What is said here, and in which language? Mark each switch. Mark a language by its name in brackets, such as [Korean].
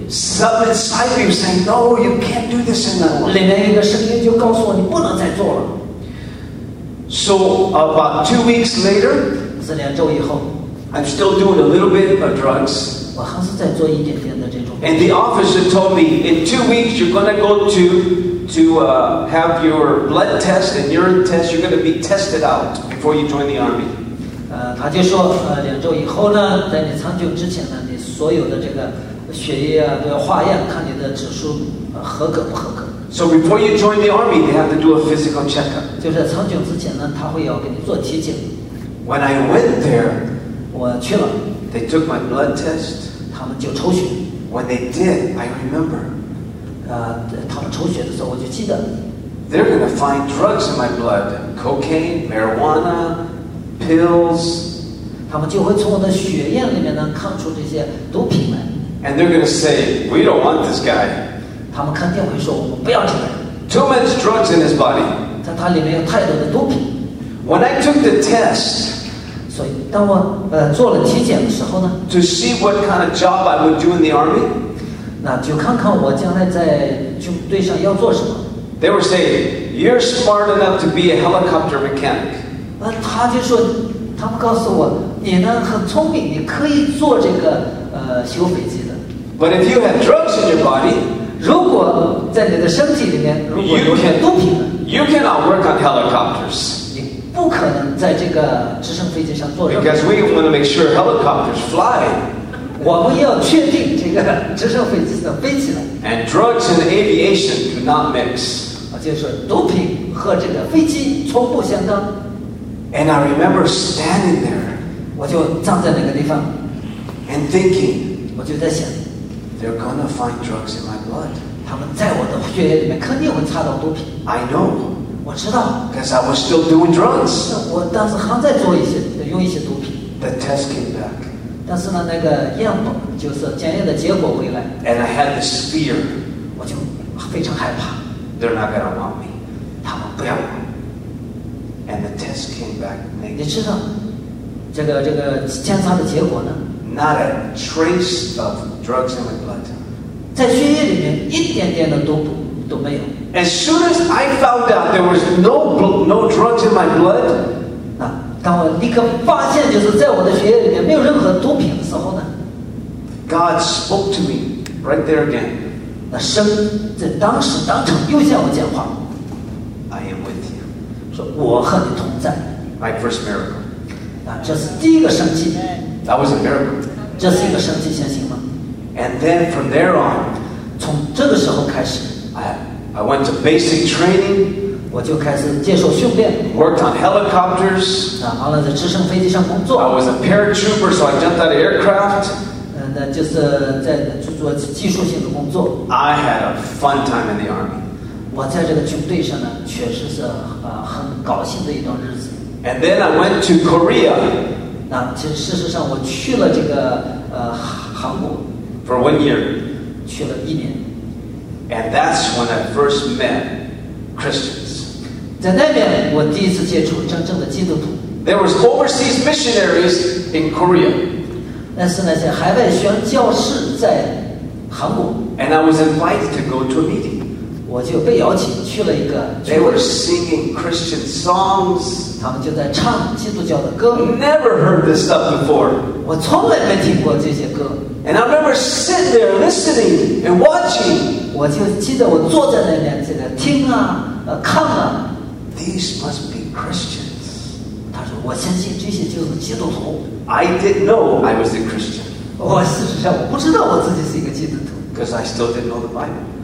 [English] Something inside me is saying, no, you can't do this anymore. [Chinese] 里面一个声音就告诉我，你不能再做了。 [English] So about 2 weeks later. I'm still doing a little bit of drugs. [Chinese] 我还是在做一点点的这种。 [English] And the officer told me, in 2 weeks, you're going to go to have your blood test and urine test. You're going to be tested out before you join the army. [Chinese] 他就说，两周以后呢，在你参军之前呢，你所有的这个血液啊都要化验，看你的指数合格不合格。 [English] So before you join the army, they have to do a physical checkup. [Chinese] 就是参军之前呢，他会要给你做体检。 [English] When I went there, [Chinese] 我去了。 [English] They took my blood test. [Chinese] 他们就抽血。 [English] When they did, I remember. [Chinese] 他们抽血的时候我就记得。 [English] They're gonna find drugs in my blood: cocaine, marijuana, pills. [Chinese] 他们就会从我的血液里面能看出这些毒品来。 [English] And they're gonna say, "We don't want this guy." [Chinese] 他们肯定会说，我们不要这个人。 [English] Too much drugs in his body. [Chinese] 在他里面有太多的毒品。 [English] When I took the test, [Chinese] 所以当我做了体检的时候呢 [English] ，to see what kind of job I would do in the army, [Chinese] 那就看看我将来在军队上要做什么。 [English] They were saying you're smart enough to be a helicopter mechanic. [Chinese] 那他就说，他们告诉我你呢很聪明，你可以做这个修飞机的。 [English] But if you have drugs in your body, [Chinese] 如果在你的身体里面如果有些毒品呢 [English] ，you cannot work on helicopters. [Chinese] 不可能在这个直升飞机上做任务。 [English] Because we want to make sure helicopters fly. [Chinese] 我们要确定这个直升飞机能飞起来。 [English] And drugs and aviation do not mix. [Chinese] 就是毒品和这个飞机从不相当。 [English] And I remember standing there. [Chinese] 我就站在那个地方。 [English] And thinking. [Chinese] 我就在想。 [English] They're gonna find drugs in my blood. [Chinese] 他们在我的血液里面肯定会查到毒品。 [English] I know. [Chinese] 我知道 [English] because I was still doing drugs. [Chinese] 我当时还在做一些用一些毒品。 [English] The test came back. [Chinese] 但是呢，那个样本就是检验的结果回来。 [English] And I had this fear. [Chinese] 我就非常害怕。 [English] They're not gonna want me. [Chinese] 他们不要我。 [English] And the test came back negative. [Chinese] 你知道这个检查的结果呢？ [English] Not a trace of drugs in my blood. [Chinese] 在血液里面一点点的都没有。 [English] As soon as I found out there was no drugs in my blood, [Chinese] 那当我立刻发现就是在我的血液里面没有任何毒品的时候呢？ [English] God spoke to me right there again. [Chinese] 那神在当时当场又向我讲话。 [English] I am with you. [Chinese] 说我和你同在。 [English] My first miracle. [Chinese] 这是第一个神迹。 [English] That was a miracle. [Chinese] 这是一个神迹，相信吗？ [English] And then from there on, [Chinese] 从这个时候开始， [English] I went to basic training. [Chinese] 我就开始接受训练。 [English] Worked on helicopters. [Chinese] 完了在直升飞机上工作。 [English] I was a paratrooper, so I jumped out of aircraft. [Chinese] 那就是在做技术性的工作。 [English] I had a fun time in the army. [Chinese] 我在这个军队上呢，确实是很高兴的一段日子。 [English] And then I went to Korea. [Chinese] 那其实事实上我去了这个韩国。 [English] For 1 year. [Chinese] 去了一年。 [English] And that's when I first met Christians. [Chinese] 在那边我第一次接触真正的基督徒。 [English] There was overseas missionaries in Korea. [Chinese] 那是那些海外宣教士在韩国。 [English] And I was invited to go to a meeting. [Chinese] 我就被邀请去了一个。 [English] They were singing Christian songs. [Chinese] 他们就在唱基督教的歌。 [English] Never heard this stuff before. [Chinese] 我从来没听过这些歌。 [English] And I remember sitting there listening and watching. [Chinese] 我就记得我坐在那边在那听啊，看啊。 [English] These must be Christians. [Chinese] 他说我相信这些就是基督徒。 [English] I didn't know I was a Christian. [Chinese] 我事实上我不知道我自己是一个基督徒。 [English] Because I still didn't know the Bible.